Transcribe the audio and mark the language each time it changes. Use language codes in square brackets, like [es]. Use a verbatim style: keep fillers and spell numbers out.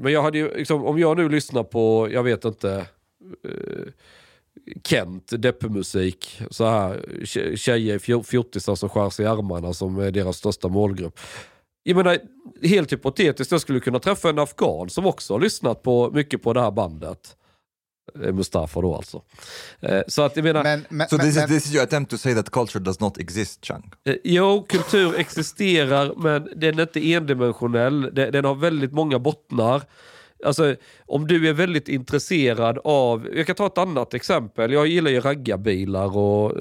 [sv] Men jag hade ju, liksom, om jag nu lyssnar på, jag vet inte, eh, Kent, deppemusik, så här, tjejer, fjortisar som skär sig i armarna, som är deras största målgrupp. Jag menar, helt hypotetiskt, jag skulle kunna träffa en afghan som också har lyssnat på, mycket på det här bandet. Mustafa då alltså. Så att jag menar... Men, men, [en] so this, men, is, this is your attempt to say that culture does not exist, Chang? [sv] Jo, kultur existerar, men den är inte endimensionell. Den, den har väldigt många bottnar. Alltså, om du är väldigt intresserad av... Jag kan ta ett annat exempel. Jag gillar ju raggarbilar och...